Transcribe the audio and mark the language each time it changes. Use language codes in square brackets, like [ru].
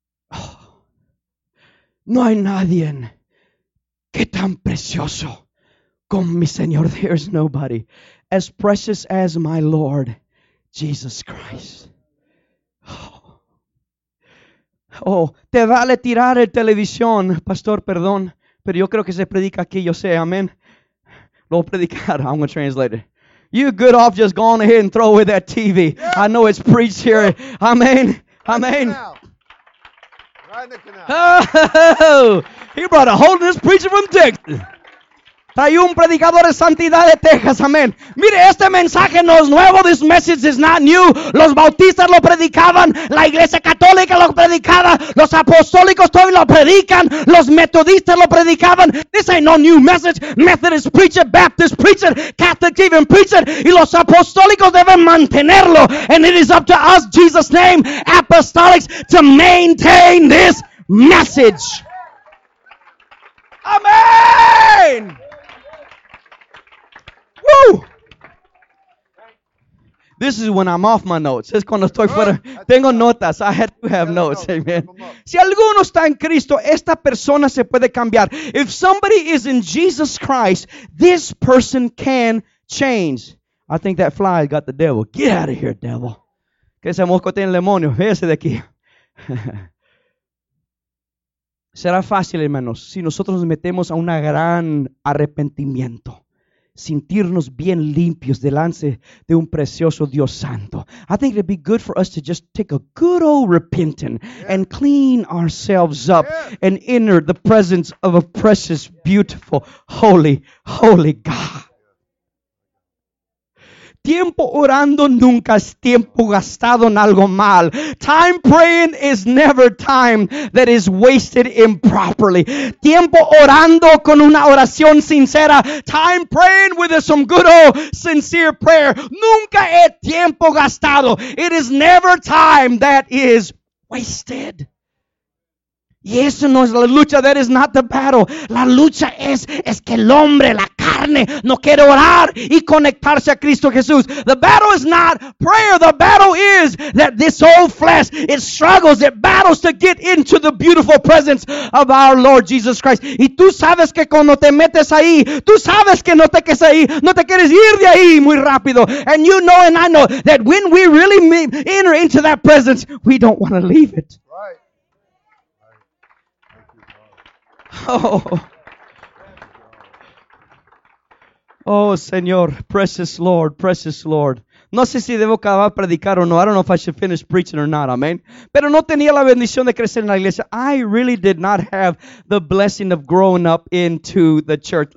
[es] Oh, no hay nadie en que tan precioso con mi Señor. [en] There's nobody as precious as my Lord Jesus Christ. [es] Oh, te vale tirar el televisión, pastor, perdón, pero yo creo que se predica aquí, yo sé, amén. Lo voy a predicar, [en] I'm going to translate it. You good off just going ahead and throw away that TV. Yeah. I know it's preached here. Yeah. Amén, amén. Oh, he brought a holiness preacher from Texas. [es] Trae un predicador de santidad de Texas, amén. Mire, este mensaje no es nuevo. [en] This message is not new. [es] Los bautistas lo predicaban. La iglesia católica lo predicaba. Los apostólicos todavía lo predican. Los metodistas lo predicaban. [en] This ain't no new message. Methodist preacher, Baptist preacher, Catholic even preacher. [es] Y los apostólicos deben mantenerlo. [en] And it is up to us, Jesus' name, apostolics, to maintain this message. [es] Amén. [en] This is when I'm off my notes. [es] Es cuando estoy fuera. Tengo notas. [en] I had to have notes. Amen. [es] Si alguno está en Cristo, esta persona se puede cambiar. [en] If somebody is in Jesus Christ, this person can change. I think that fly got the devil. Get out of here, devil. [es] Que ese mosco tiene el demonio. Véase de aquí. Será fácil, hermanos, si nosotros nos metemos a un gran arrepentimiento. Sentirnos bien limpios delante de un precioso Dios Santo. [en] I think it'd be good for us to just take a good old repenting, yeah, and clean ourselves up, yeah, and enter the presence of a precious, beautiful, holy, holy God. [es] Tiempo orando nunca es tiempo gastado en algo mal. [en] Time praying is never time that is wasted improperly. [es] Tiempo orando con una oración sincera. [en] Time praying with some good old sincere prayer. [es] Nunca es tiempo gastado. [en] It is never time that is wasted. [es] Y eso no es la lucha. [en] That is not the battle. [es] La lucha es que el hombre, la carne, no quiere orar y conectarse a Cristo Jesús. [en] The battle is not prayer. The battle is that this old flesh, it struggles, it battles to get into the beautiful presence of our Lord Jesus Christ. [es] Y tú sabes que cuando te metes ahí, tú sabes que no te quieres ahí, no te quieres ir de ahí muy rápido. [en] And you know and I know that when we really enter into that presence, we don't want to leave it. Oh, Señor, precious Lord, precious Lord. [es] No sé si debo acabar predicar o no. [en] I don't know if I should finish preaching or not. Amen. [es] Pero no tenía la bendición de crecer en la iglesia. [en] I really did not have the blessing of growing up into the church.